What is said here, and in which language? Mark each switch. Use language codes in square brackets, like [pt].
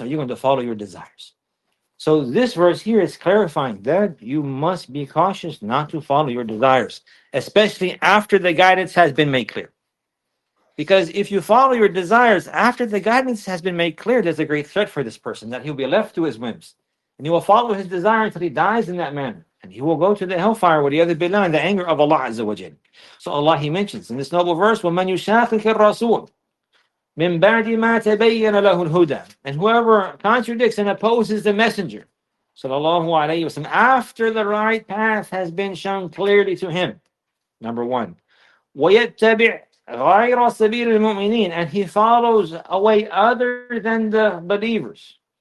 [en] Or are you going to follow your desires? So this verse here is clarifying that you must be cautious not to follow your desires, especially after the guidance has been made clear. Because if you follow your desires after the guidance has been made clear, there's a great threat for this person that he'll be left to his whims. And he will follow his desire until he dies in that manner. And he will go to the hellfire where he has been in the anger of Allah Azza wa Jal. So Allah, he mentions in this noble verse, [ar] وَمَنْ يُشَاقِكِ الرَّسُولِ مِن بَعْدِ مَا تَبَيَّنَ لَهُ الْهُدَى. [en] And whoever contradicts and opposes the messenger, sallallahu alayhi wa sallam, after the right path has been shown clearly to him, number one, [ar] وَيَتَّبِعْ غَيْرَ سَبِيلِ الْمُؤْمِنِينَ, [en] and he follows away other than the believers.